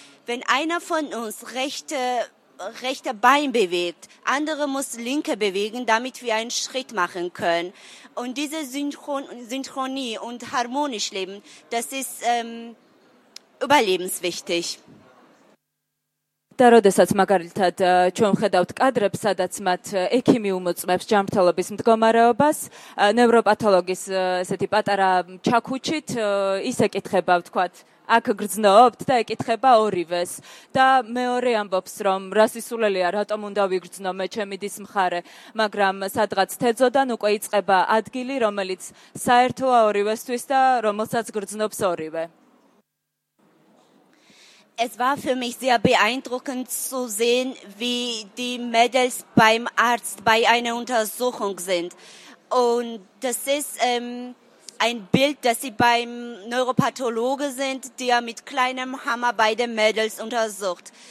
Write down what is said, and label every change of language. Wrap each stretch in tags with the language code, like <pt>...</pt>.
<de>Wenn einer von uns rechte Bein bewegt, andere muss linke bewegen, damit wir einen Schritt machen können. Und diese Synchronie und harmonisch leben, das ist überlebenswichtig.</de> <ka>Da როდესაც მაგალითად ჩვენ ხედავთ კადრებს, სადაც მათ ექიმი უმოწმებს ჯანმრთელობის მდგომარეობას, ნევროპათოლოგის ესეთი პატარა ჩაქუჩით ისე კითხება, ვთქვათ, აქ გრძნობთ და ეკითხება ორივეს. და მეორე ამბობს, რომ რა სისულელია, რატომ უნდა ვიგრძნო მე ჩემი დის მხარე, მაგრამ სადღაც თეძოდან უკვე იწყება ადგილი, რომელიც საერთოა ორივესთვის და რომელსაც გრძნობს ორივე.</ka> <de>Es war für mich sehr beeindruckend zu sehen, wie die Mädels beim Arzt bei einer Untersuchung sind. Und das ist ein Bild, dass sie beim Neuropathologe sind, der mit kleinem Hammer beide Mädels untersucht.</de>